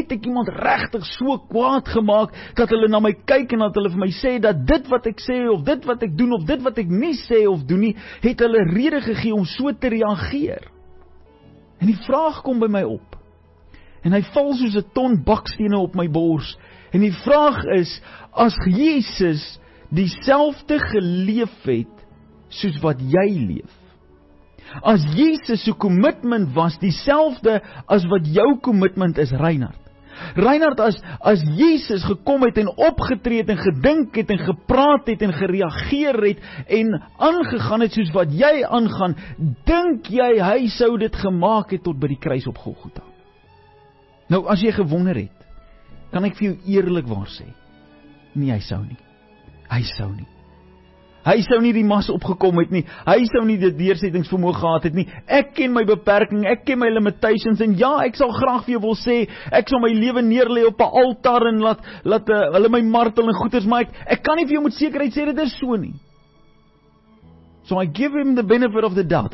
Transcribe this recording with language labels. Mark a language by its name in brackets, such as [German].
[Afrikaans] Het ek iemand regtig so kwaad gemaak, dat hulle na my kyk en dat hulle vir my sê, dat dit wat ek sê of dit wat ek doen of dit wat ek nie sê of doen nie, het hulle rede gegee om so te reageer? En die vraag kom by my op. En hy val soos 'n ton bakstene op my bors. En die vraag is, as Jesus dieselfde geleef het soos wat jy leef. As Jesus se commitment was dieselfde as wat jou commitment is, Reinhard. Reinhard, as Jesus gekom het en opgetree het en gedink het en gepraat het en gereageer het en aangegaan het soos wat jy aangaan, dink jy hy sou dit gemaak het tot by die kruis op Golgotha? Nou, as jy gewonder het, kan ek vir jou eerlik waar sê, nie, hy sou nie. Hy sou nie. Hy sou nie die mas opgekom het nie. Hy sou nie die deursettingsvermoë gehad het nie. Ek ken my beperking, ek ken my limitations, en ja, ek sal graag vir jou wil sê, ek sal my lewe neerlê op 'n altaar en laat hulle my martel en goeders, maar ek kan nie vir jou met sekerheid sê, dit is so nie. [English] So I give him the benefit of the doubt.